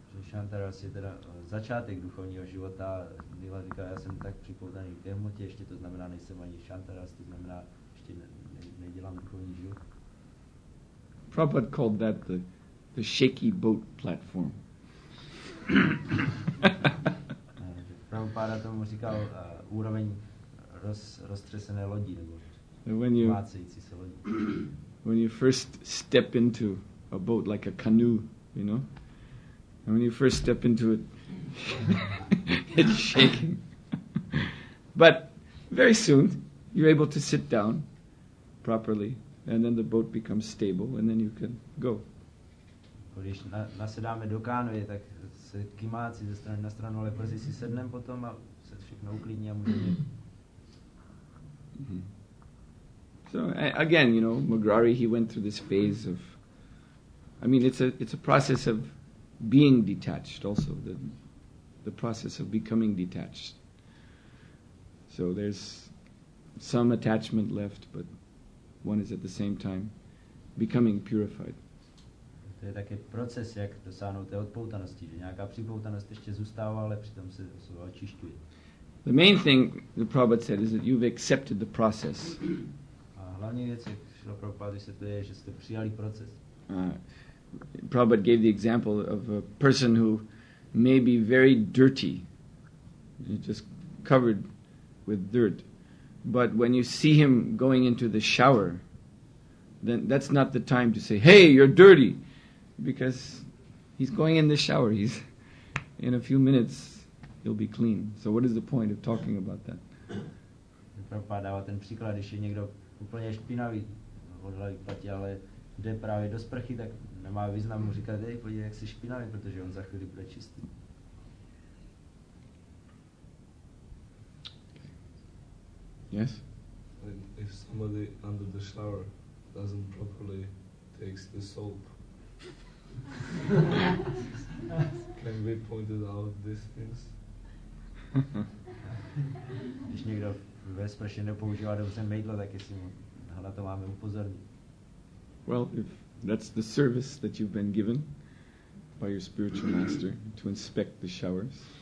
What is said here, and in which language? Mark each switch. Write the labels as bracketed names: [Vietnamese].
[Czech] Shantaras je teda začátek duchovního života. Nila říká, já jsem tak připoutaný k té hmotě, ještě to znamená, nejsem ani Shantaras, to znamená, ještě nedělám duchovní život. [English] Prabhupada called that the shaky boat platform. [Czech] Prabhupada tomu říkal úroveň roztřesené lodi nebo plácející se lodi. [English] When you first step into a boat like a canoe, you know, and when you first step into it, it's shaking. But very soon, you're able to sit down properly, and then the boat becomes stable, and then you can go. [Czech] Když nasedáme do kánvy, tak se kymáci ze strany na stranu, ale brzy si sedneme potom a se všechno uklidní a můžeme. [English] So again, you know, Magrari, he went through this phase of, I mean, it's a process of being detached also, the process of becoming detached. So there's some attachment left, but one is at the same time becoming purified. [Czech] To je také proces, jak dosáhnout té odpoutanosti, že nějaká připoutanost ještě zůstává, ale přitom se osoba očišťuje. [English] The main thing, the Prabhupada said, is that you've accepted the process. [Czech] Hlavní věc, jak šlo Prabhupada vysvětluje, že jste přijali proces. [English] Prabhupada gave the example of a person who may be very dirty, just covered with dirt, but when you see him going into the shower, then that's not the time to say, hey, you're dirty, because he's going in the shower, he's in a few minutes he'll be clean. So what is the point of talking about that? [Czech] Prabhupada dává ten příklad, když je někdo úplně špinavý od hlavy k pati, ale jde právě do sprchy, tak nemá význam mu říkat, hej, podívej, jak jsi špinavý, protože on za chvíli bude čistý. [English] Yes? If somebody under the shower doesn't properly take the soap, can we point out these things? [Czech] Když někdo ve sprše nepoužívá dobře mejdlo, tak jestli mu na to máme upozornit. [English] Well, if that's the service that you've been given by your spiritual master to inspect the showers.